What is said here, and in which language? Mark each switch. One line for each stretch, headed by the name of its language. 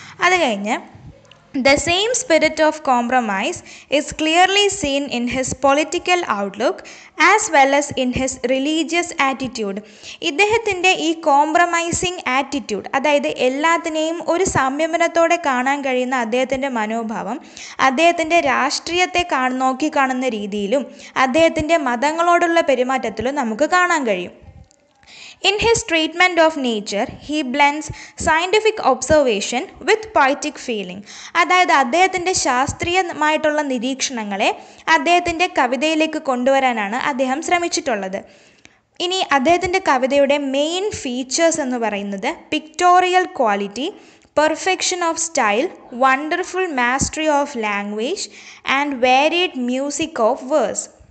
Malayalam: അത് കഴിഞ്ഞ്
English: The same spirit of compromise is clearly seen in his political outlook as well as in his religious attitude.
Malayalam: ഇദ്ദേഹത്തിൻ്റെ ഈ compromising attitude, അതായത് എല്ലാത്തിനെയും ഒരു സംയമനത്തോടെ കാണാൻ കഴിയുന്ന അദ്ദേഹത്തിൻ്റെ മനോഭാവം, അദ്ദേഹത്തിൻ്റെ രാഷ്ട്രീയത്തെ നോക്കിക്കാണുന്ന രീതിയിലും അദ്ദേഹത്തിൻ്റെ മതങ്ങളോടുള്ള പെരുമാറ്റത്തിലും നമുക്ക് കാണാൻ കഴിയും.
English: In his treatment of nature, he blends scientific observation with poetic feeling.
Malayalam: അതായത് അദ്ദേഹത്തിൻ്റെ ശാസ്ത്രീയമായിട്ടുള്ള നിരീക്ഷണങ്ങളെ അദ്ദേഹത്തിൻ്റെ കവിതയിലേക്ക് കൊണ്ടുവരാനാണ് അദ്ദേഹം ശ്രമിച്ചിട്ടുള്ളത്. ഇനി അദ്ദേഹത്തിൻ്റെ കവിതയുടെ മെയിൻ ഫീച്ചേഴ്സ് എന്ന് പറയുന്നത്
English: Pictorial quality, perfection of style, wonderful mastery of language and varied music of verse.